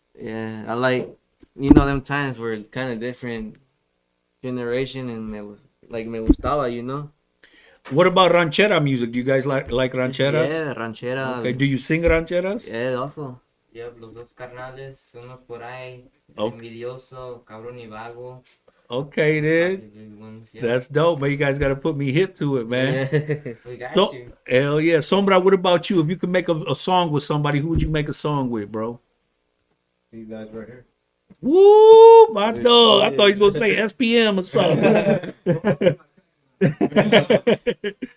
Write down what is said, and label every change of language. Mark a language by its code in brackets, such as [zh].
[en] Yeah, I like, you know, them times were kind of different generation, and it was like [es] me gustaba, [en] you know. What about ranchera music? Do you guys like ranchera? Yeah, ranchera. Okay. Do you sing rancheras? Yeah, also. [es] Yep, los dos carnales, uno por ahí, okay. Envidioso, cabrón y vago. [en] Okay, then. That's dope, man. You guys got to put me hip to it, man. Yeah. We got you. Hell yeah. Sombra, what about you? If you could make a song with somebody, who would you make a song with, bro? These guys right here. Woo, my dog. I thought he was going to say SPM or something.